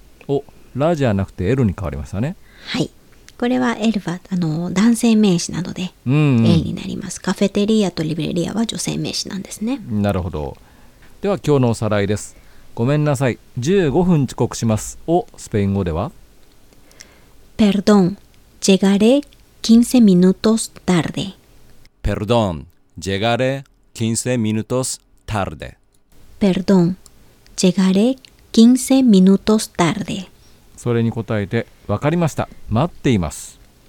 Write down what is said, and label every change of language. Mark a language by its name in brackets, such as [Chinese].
[Japanese] お、ラじゃなくて L に変わりましたね。はい。これは L は男性名詞なので、うんうん、 L になります。カフェテリアとリブレリアは女性名詞なんですね。なるほど。では今日のおさらいです。ごめんなさい、15分遅刻しますをスペイン語では [Spanish] Perdón, llegaré 15 minutos tarde。 Perdón, llegaré 15 minutos tarde。 Perdón, llegaré 15 minutos tarde。 [Japanese] それに答えて、わかりました、待っています。